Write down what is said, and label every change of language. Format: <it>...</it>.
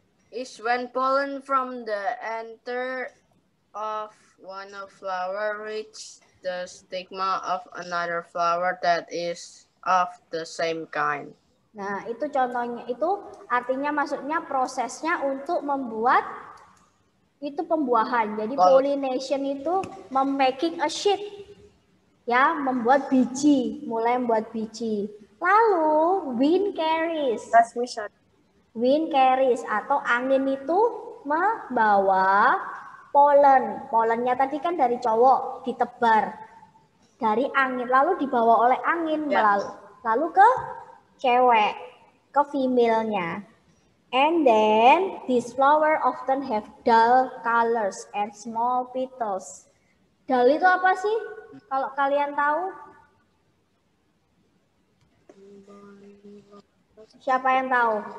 <en>It's when pollen from the anther of one of flower reach the stigma of another flower that is of the same kind.</en> <id>Nah, itu contohnya, itu artinya maksudnya prosesnya untuk membuat itu pembuahan. Jadi pollination itu</id> <en>making a seed.</en> <id>Ya, membuat biji, mulai membuat biji.</id> <en>Lalu wind carries. Transmission. Wind carries</en> <id>atau angin itu membawa pollen. Pollennya tadi kan dari cowok, ditebar dari angin, lalu dibawa oleh angin lalu ke cewek, ke female-nya.</id> <en>And then this flower often have dull colors and small petals.</en> <id>Dull itu apa sih? Kalau kalian tahu? Siapa yang tahu?</id>